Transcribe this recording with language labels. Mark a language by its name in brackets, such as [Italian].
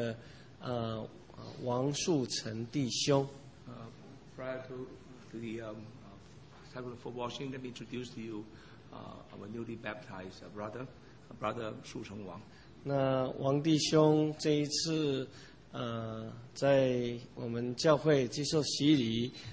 [Chinese] 要洗礼之前，先介绍一下今天来接受我们教会洗礼的王树成弟兄。 [English] Prior to the ceremony for washing, let me introduce to you our newly baptized brother Su Cheng Wang. [Chinese] 那王弟兄这一次在我们教会接受洗礼。